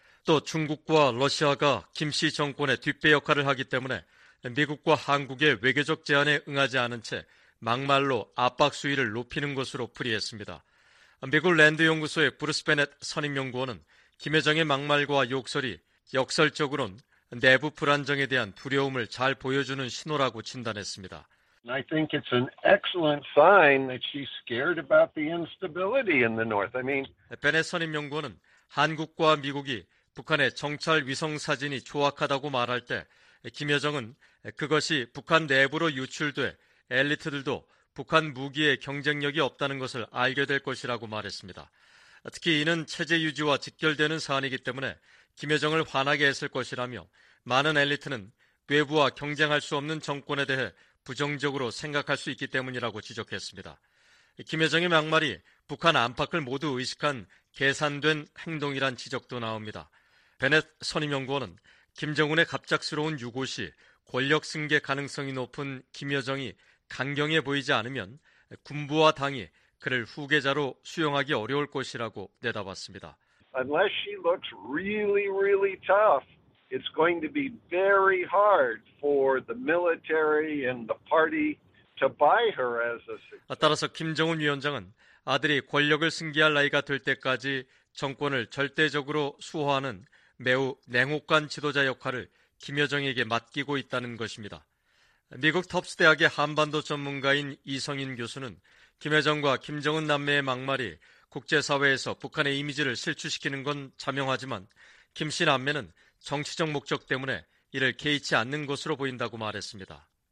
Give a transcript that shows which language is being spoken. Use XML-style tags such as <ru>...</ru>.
<ko>또 중국과 러시아가 김 씨 정권의 뒷배 역할을 하기 때문에 미국과 한국의 외교적 제안에 응하지 않은 채 막말로 압박 수위를 높이는 것으로 풀이했습니다. 미국 랜드연구소의 브루스 베넷 선임연구원은 김여정의 막말과 욕설이 역설적으론 내부 불안정에 대한 두려움을 잘 보여주는 신호라고 진단했습니다.</ko> <en>I think it's an excellent sign that she's scared about the instability in the North. I mean,</en> <ko>베넷 선임연구원은 한국과 미국이 북한의 정찰 위성 사진이 조악하다고 말할 때 김여정은 그것이 북한 내부로 유출돼 엘리트들도 북한 무기에 경쟁력이 없다는 것을 알게 될 것이라고 말했습니다. 특히 이는 체제 유지와 직결되는 사안이기 때문에 김여정을 화나게 했을 것이라며 많은 엘리트는 외부와 경쟁할 수 없는 정권에 대해 부정적으로 생각할 수 있기 때문이라고 지적했습니다. 김여정의 막말이 북한 안팎을 모두 의식한 계산된 행동이란 지적도 나옵니다. 베넷 선임연구원은 김정은의 갑작스러운 유고 시 권력 승계 가능성이 높은 김여정이 강경해 보이지 않으면 군부와 당이 그를 후계자로 수용하기 어려울 것이라고 내다봤습니다.</ko> <en>Unless she looks really, really tough, it's going to be very hard for the military and the party to buy her as a successor.</en> <ko>따라서 김정은 위원장은 아들이 권력을 승계할 나이가 될 때까지 정권을 절대적으로 수호하는 매우 냉혹한 지도자 역할을 김여정에게 맡기고 있다는 것입니다. 미국 텁스 대학의 한반도 전문가인 이성인 교수는 김여정과 김정은 남매의 막말이 국제사회에서 북한의 이미지를 실추시키는 건 자명하지만 김 씨 남매는 정치적 목적 때문에 이를 개의치 않는 것으로 보인다고 말했습니다.</ko>